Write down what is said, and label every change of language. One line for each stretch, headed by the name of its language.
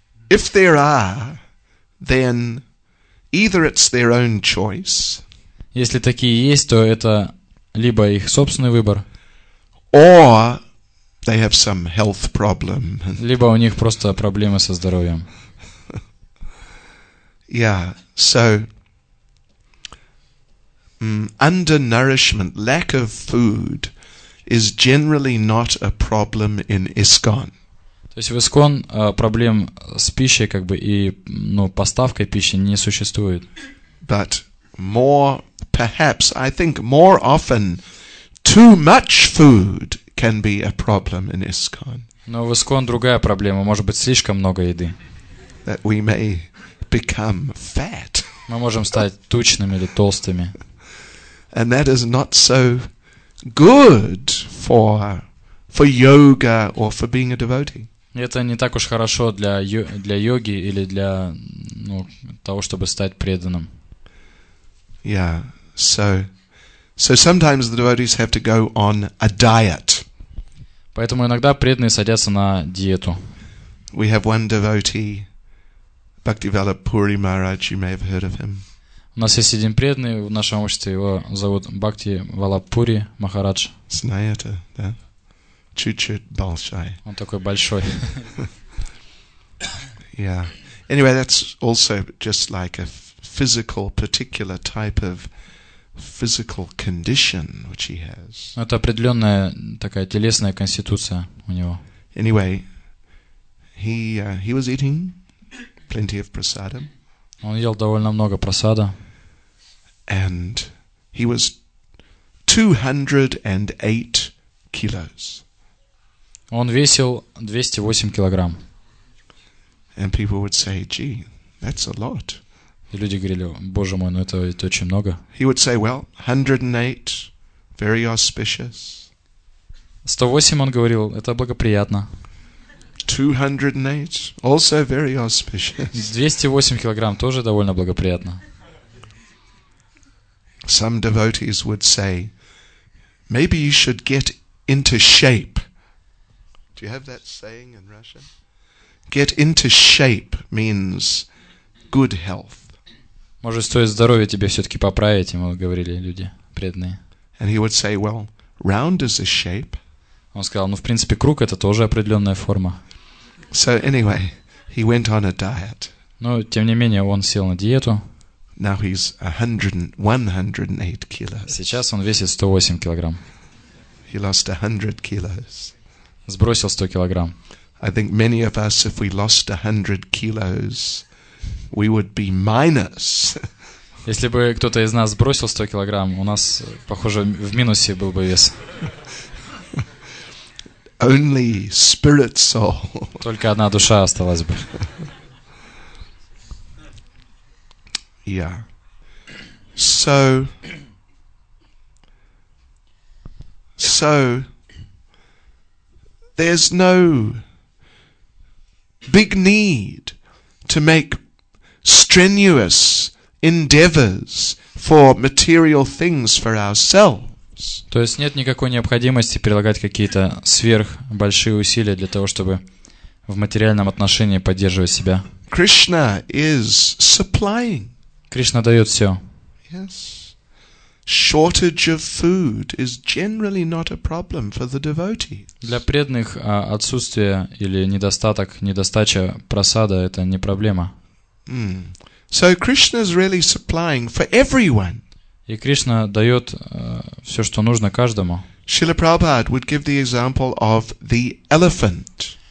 English: If there are, then either it's their own choice.
Russian: Если такие есть, то это либо их собственный выбор.
English: Or they have some health problem.
Russian: Либо у них просто проблемы со здоровьем.
English: Yeah, so undernourishment, lack of food, is generally not a problem in ISKCON.
Russian: То есть в ISKCON проблем с пищей как бы и поставкой пищи не существует.
English: But more, perhaps, I think more often, too much food can be a problem in ISKCON.
Russian: Но в ISKCON другая проблема, может быть слишком много еды.
English: That we may become fat.
Russian: Мы можем стать тучными или толстыми.
English: And that is not so good for yoga or for being a devotee.
Russian: Это не так уж хорошо для йоги или для того, чтобы стать преданным.
English: Yeah. So sometimes the devotees have to go on a diet.
Russian: Поэтому иногда преданные садятся на диету.
English: We have one devotee, Bhaktivala Puri Maharaj, you may have heard of him.
Russian: У нас есть один преданный в нашем обществе, его зовут Бхакти Валапури Махарадж. Знаете, да? Чуть-чуть большой. Он такой большой.
English: Yeah. Anyway, that's also just like a physical, particular type of physical condition which he has.
Russian: Это определенная такая телесная конституция у него.
English: Anyway, he was eating plenty of prasadam.
Russian: Он ел довольно много прасада.
English: And he was 208 kilos.
Russian: Он весил 208 килограмм.
English: And people would say, "Gee, that's a lot."
Russian: И люди говорили: "Боже мой, ну это ведь очень много."
English: He would say, "Well, 108, very auspicious."
Russian: 108, он говорил, это благоприятно.
English: 208, also very auspicious.
Russian: 208 килограмм тоже довольно благоприятно.
English: Some devotees would say, "Maybe you should get into shape." Do you have that saying in Russia? Get into shape means good health.
Russian: Может, стоит здоровье тебе все-таки поправить, ему говорили люди преданные.
English: And he would say, "Well, round is a shape."
Russian: Он сказал, ну, в принципе, круг — это тоже определенная форма.
English: So anyway, he went on a diet.
Russian: Но, тем не менее, он сел на диету.
English: Now he's 108 kilos.
Russian: Сейчас он весит 108 килограмм.
English: He lost 100 kilos.
Russian: Сбросил 100 килограмм.
English: I think many of us, if we lost 100 kilos, we would be minus.
Russian: Если бы кто-то из нас сбросил 100 килограмм, у нас, похоже, в минусе был бы вес.
English: Only spirit soul.
Russian: Только одна душа осталась бы.
English: Yeah. So. So. There's no big need to make strenuous endeavors for material things for ourselves.
Russian: То есть нет никакой необходимости прилагать какие-то сверхбольшие усилия для того, чтобы в материальном отношении поддерживать себя.
English: Krishna is supplying.
Russian: Кришна дает все.
English: Yes. Shortage of food is generally not a problem for the devotees.
Russian: Для преданных отсутствие или недостаток, недостача просада — это не проблема.
English: Mm. So Krishna is really supplying for everyone.
Russian: И Кришна дает все, что нужно каждому.
English: Шрила Прабхупада would give the example of the elephant.